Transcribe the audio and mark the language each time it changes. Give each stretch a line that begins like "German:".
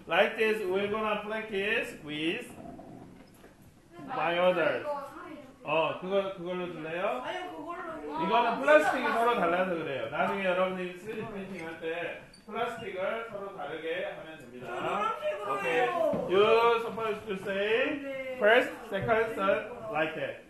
English: Like this, we're gonna practice with my others.
Korean: 그걸로 줄래요? 아니요, 그걸로. 이거는 플라스틱이 서로 달라서 그래요. 나중에 여러분이 3D 프린팅 할 때 플라스틱을 서로 다르게 하면 됩니다.
English: 오케이. You're supposed to say first, second, third, like that.